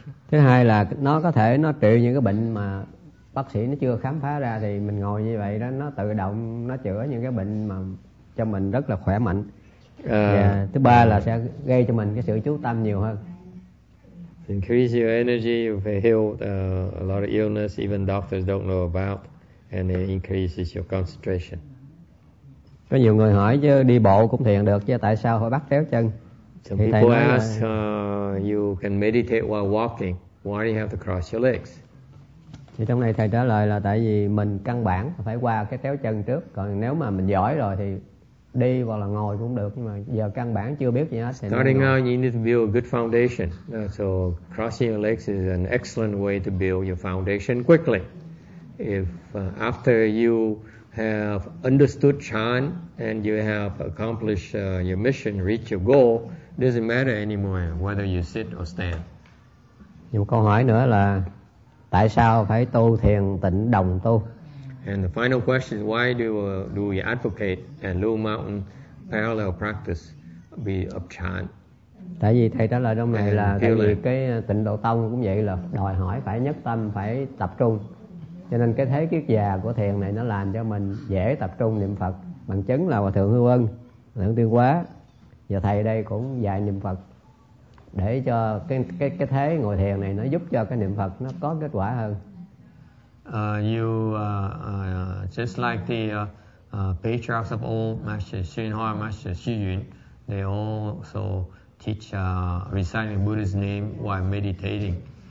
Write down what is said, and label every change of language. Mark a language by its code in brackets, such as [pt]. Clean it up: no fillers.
[vi] thứ hai là nó có thể nó trị những cái bệnh mà bác sĩ nó chưa khám phá ra, thì mình ngồi như vậy đó nó tự động nó chữa những cái bệnh mà cho mình rất là khỏe mạnh. Và thứ ba là sẽ gây cho mình cái sự chú tâm nhiều hơn. [en] Increase your energy, you've healed a lot of illness even doctors don't know about, and it increases your concentration. [vi] Có nhiều người hỏi chứ đi bộ cũng thiền được chứ tại sao phải bắt tréo chân? [en] Some people ask you can meditate while walking, why do you have to cross your legs? [vi] Thì trong này thầy trả lời là tại vì mình căn bản phải qua cái tréo chân trước, còn nếu mà mình giỏi rồi thì đi hoặc là ngồi cũng được, nhưng mà giờ căn bản chưa biết gì hết. [en] Starting out, you need to build a good foundation. So crossing your legs is an excellent way to build your foundation quickly. If after you have understood Chan and you have accomplished your mission, reach your goal, doesn't matter anymore whether you sit or stand. [vi] Thì một câu hỏi nữa là tại sao phải tu thiền tịnh đồng tu? [en] And the final question is why do we advocate and Lu Mountain parallel practice be of chan? [vi] Tại vì thầy trả lời trong này là tại vì cái tịnh độ tông cũng vậy, là đòi hỏi phải nhất tâm, phải tập trung. Cho nên cái thế kiết già của thiền này nó làm cho mình dễ tập trung niệm Phật. Bằng chứng là Hòa Thượng Hư Ân, Lượng Tiên Quá và thầy đây cũng dạy niệm Phật, để cho cái thế ngồi thiền này nó giúp cho cái niệm Phật nó có kết quả hơn. [en] Just like the patriarchs of old, Master Xuyên Hoa, Master Xu Yun, they also teach reciting Buddha's name while meditating.